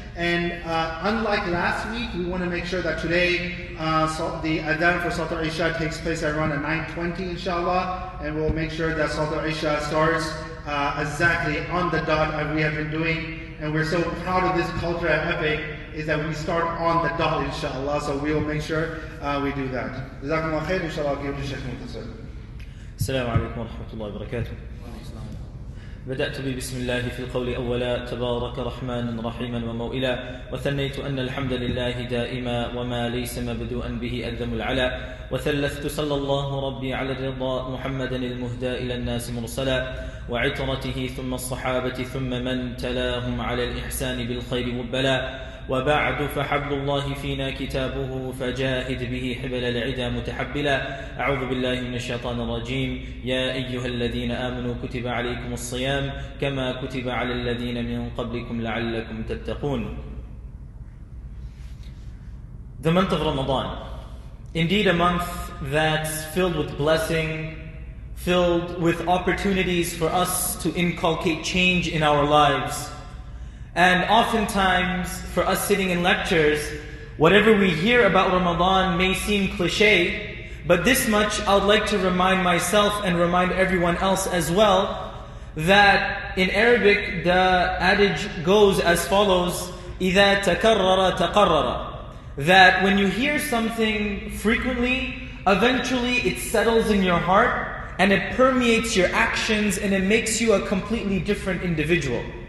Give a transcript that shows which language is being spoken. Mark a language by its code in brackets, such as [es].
[en] And unlike last week, we want to make sure that today, the adhan for Salat al-Isha takes place at around 9:20, inshallah, and we'll make sure that Salat al-Isha starts exactly on the dot as we have been doing. And we're so proud of this culture at Epic, is that we start on the dot, inshallah. So we will make sure we do that. Jazakumullah khair, inshallah, I'll give to Sheikh Muntasir. [ar] السلام عليكم ورحمة الله وبركاته. بدأت ببسم الله في القول أولا، تبارك رحمن رحيما وموئلا، وثنيت أن الحمد لله دائما وما ليس مبدوءا به أذم العلا، وثلثت صلى الله ربي على الرضا محمدا المهدى إلى الناس مرسلا، وعترته ثم الصحابة ثم من تلاهم على الإحسان بالخير مبلا. وبعد، فحبل الله فينا كتابه، فجاهد به حبل العدا متحبلا. أعوذ بالله من الشيطان الرجيم. يا أيها الذين آمنوا كتب عليكم الصيام كما كتب على الذين من قبلكم لعلكم تتقون. [en] The month of Ramadan. Indeed, a month that's filled with blessing, filled with opportunities for us to inculcate change in our lives. And oftentimes, for us sitting in lectures, whatever we hear about Ramadan may seem cliche, but this much I'd like to remind myself and remind everyone else as well, that in Arabic the adage goes as follows, [ar] إِذَا تَكَرَّرَ تَقَرَّرَ, [en] that when you hear something frequently, eventually it settles in your heart and it permeates your actions and it makes you a completely different individual.